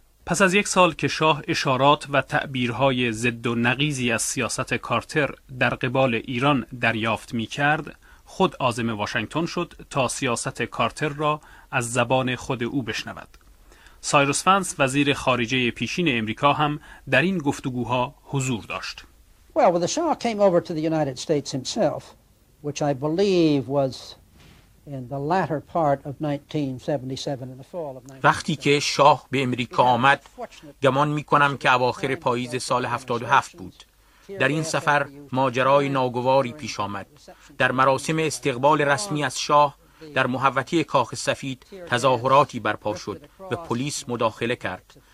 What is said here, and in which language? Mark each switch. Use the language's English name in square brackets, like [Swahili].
[Persian] پس از یک سال که شاه اشارات و تعبیرهای ضد و نقیضی از سیاست کارتر در قبال ایران دریافت می کرد، خود عازم واشنگتن شد تا سیاست کارتر را از زبان خود او بشنود. سایرس ونس، وزیر خارجه پیشین امریکا، هم در این گفتگوها حضور داشت. [English] Well, the Shah came over to the United States himself, which I believe was in the latter part of 1977 in the fall of 1977. [Persian] وقتی که شاه به امریکا آمد، گمان می‌کنم که اواخر پاییز سال 77 بود. در این سفر ماجرای ناگواری پیش آمد. در مراسم استقبال رسمی از شاه در محوطه کاخ سفید تظاهراتی برپا شد و پلیس مداخله کرد.